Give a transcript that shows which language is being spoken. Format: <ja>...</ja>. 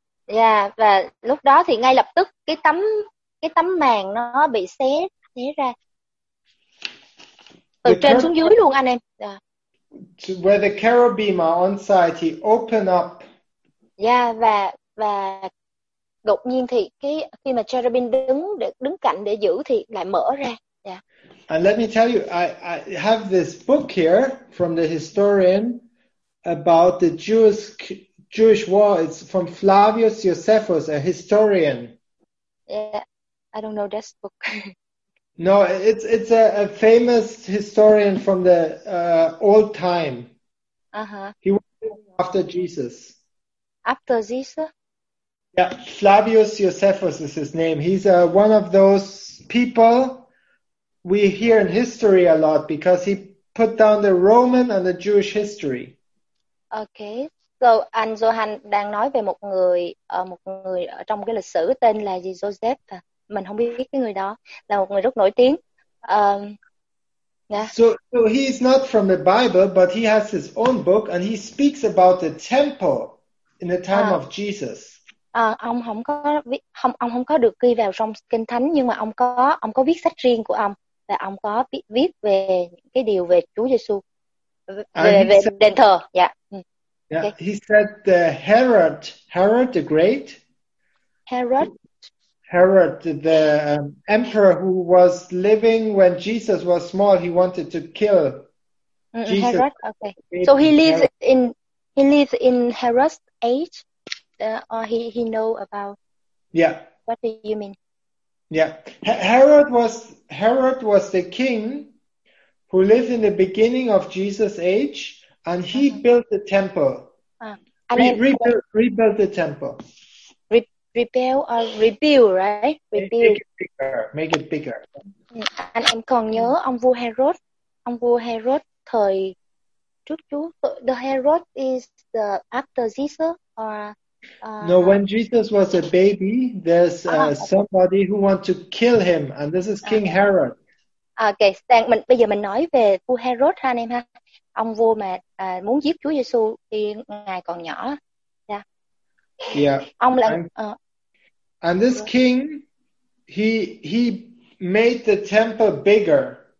<vi>Yeah, và lúc đó thì ngay lập tức cái tấm màn nó bị xé ra. Từ</vi> <en>the</en> <vi>trên xuống dưới luôn anh em.</vi> <en>Yeah. Where the cherubim are on side, he opened up.</en> <vi>Yeah, và đột nhiên thì khi mà cherubim đứng cạnh để giữ thì lại mở ra.</vi> <en>Yeah. And let me tell you, I have this book here from the historian about the Jewish war. It's from Flavius Josephus, a historian. Yeah, I don't know this book. No, it's a famous historian from the old time. Uh-huh. He was after Jesus. After Jesus? Yeah, Flavius Josephus is his name. He's one of those people we hear in history a lot because he put down the Roman and the Jewish history. Okay, so</en> <vi>anh Johan đang nói về một người trong cái lịch sử tên là gì Joseph. Mình không biết cái người đó là một người rất nổi tiếng.</vi> <en>Yeah. So he's not from the Bible, but he has his own book and he speaks about the temple in the time of Jesus.</en> <vi>Ông không có được ghi vào trong kinh thánh, nhưng mà ông có viết sách riêng của ông và ông có viết về những cái điều về Chúa Giêsu về</vi> <en>said,</en> <vi>đền thờ.</vi> <en>Yeah. Yeah, okay. He said the Herod the Great. Herod, the emperor who was living when Jesus was small, he wanted to kill Jesus. Herod, okay. So he lives in Herod's age. He know about. Yeah. What do you mean? Yeah, Herod was the king who lived in the beginning of Jesus' age, and he built the temple. Rebuilt the temple. Rebuild, right? Rebuild. Make it bigger.</en> <vi>Anh em còn nhớ ông vua Herod thời trước Chúa.</vi> <en>The Herod is the after Jesus or? No, when Jesus was a baby, there's somebody who want to kill him, and this is King Herod.</en> <vi>Okay, bây giờ mình nói về vua Herod ha anh em ha. Ông vua mà muốn giết Chúa Giêsu khi ngài còn nhỏ.</vi> <en>Yeah.</en> <vi>Ông là</vi> <en>And this king, he made the temple bigger.</en>